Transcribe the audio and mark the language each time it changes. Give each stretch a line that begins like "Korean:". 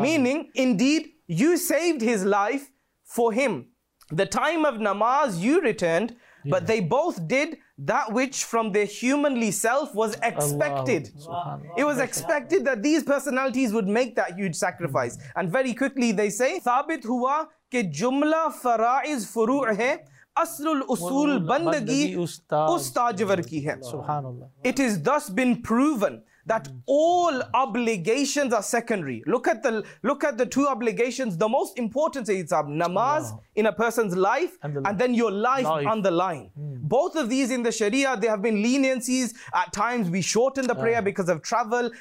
English: Meaning, indeed, you saved his life for him. The time of namaz you returned, but they both did that which from their humanly self was expected. It was expected that these personalities would make that huge sacrifice. And very quickly they say,
Urdu: ثابت ہوا کہ جملہ فرائض فروع ہے اصل الاصول بندگی اس تاجور کی ہے.
English: It has thus been proven that all obligations are secondary. Look at the two obligations, the most important is namaz in a person's life and then your life on the line. Both of these in the Sharia, there have been leniencies. At times we shorten the prayer because of travel.